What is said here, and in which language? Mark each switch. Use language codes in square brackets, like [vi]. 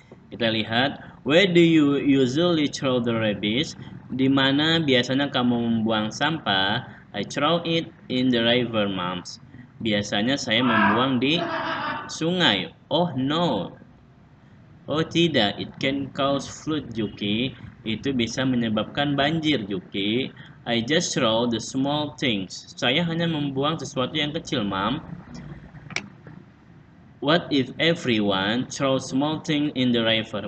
[id] Kita lihat, [en] where do you usually throw the rubbish? [id] Di mana biasanya kamu membuang sampah? [en] I throw it in the river, Mom. [id] Biasanya saya membuang di sungai. [en] Oh no. [id] Oh tidak, [en] it can cause flood, Juki. [id] Itu bisa menyebabkan banjir, Juki. [en] I just throw the small things. [id] Saya hanya membuang sesuatu yang kecil, Mom. [en] What if everyone throw small things in the river?